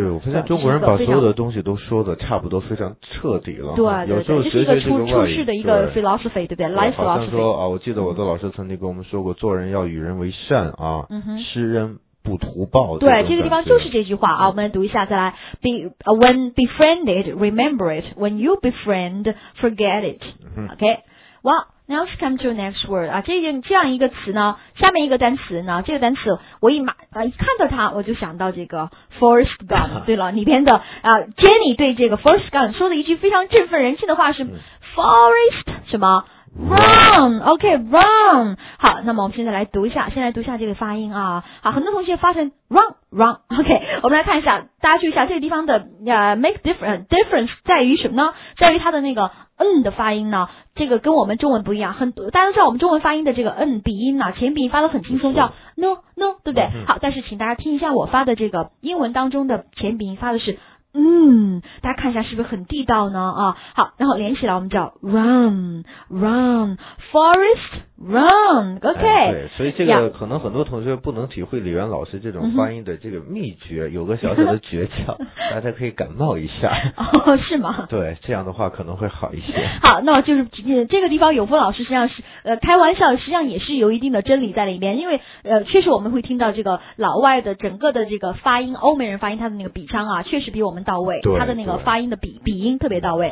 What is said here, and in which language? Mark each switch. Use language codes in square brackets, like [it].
[zh] 对，我发现中国人把所有的东西都说的差不多非常彻底了。对对，有时候这是一个出世的一个 philosophy， 对不对？ [en] life philosophy。 [zh] 好像说啊，我记得我的老师曾经跟我们说过，做人要与人为善啊，嗯哼，施恩不图报。对，这个地方就是这句话啊，我们读一下再来。 [en] Be when befriended, remember it. When you befriend, forget it.、嗯、 OK. Well, now let's come to the next word [zh] 啊，这样一个词呢，下面一个单词呢，这个单词我一看到它我就想到这个 Forrest Gump。对了，里边的啊 ，Jenny 对这个 Forrest Gump 说的一句非常振奋人心的话是、嗯、Forrest 什么？ [en] Run, OK, run. [zh] 好，那么我们现在来读一下，先来读一下这个发音啊。好，很多同学发成 [en] run, run, OK. [zh] 我们来看一下，大家注意一下这个地方的make difference 在于什么呢？在于它的那个嗯的发音呢，这个跟我们中文不一样。很多大家知道我们中文发音的这个嗯鼻音呢、啊，前鼻音发得很轻松，叫 no no， 对不对？好，但是请大家听一下我发的这个英文当中的前鼻音发的是。嗯，大家看一下是不是很地道呢啊？好，然后连起来我们叫 [en] run run forest run OK、 [zh] 哎、对，所以这个可能很多同学不能体会李元老师这种发音的这个秘诀、嗯、有个小小的诀窍大家可以感冒一下哦，是吗？对，这样的话可能会好一些。好，那就是这个地方永峰老师实际上是开玩笑，实际上也是有一定的真理在里面，因为确实我们会听到这个老外的整个的这个发音，欧美人发音他的那个鼻腔啊确实比我们到位，他的那个发音的鼻音特别到位，